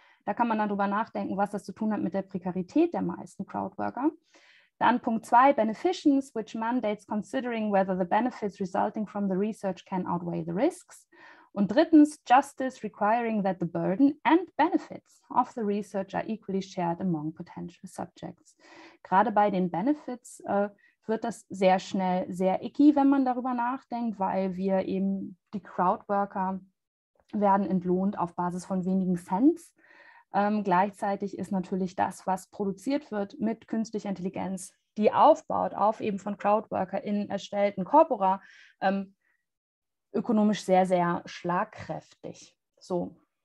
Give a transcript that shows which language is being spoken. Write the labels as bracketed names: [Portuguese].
[German] Da kann man dann drüber nachdenken, was das zu tun hat mit der Prekarität der meisten Crowdworker. Dann Punkt 2, [English] Beneficence, which mandates considering whether the benefits resulting from the research can outweigh the risks. [German] Und drittens, [English] Justice, requiring that the burden and benefits of the research are equally shared among potential subjects. [German] Gerade bei den Benefits wird das sehr schnell sehr icky, wenn man darüber nachdenkt, weil wir eben die Crowdworker werden entlohnt auf Basis von wenigen Cents. Gleichzeitig ist natürlich das, was produziert wird mit künstlicher Intelligenz, die aufbaut auf eben von CrowdworkerInnen erstellten Corpora, ökonomisch sehr, sehr schlagkräftig. So.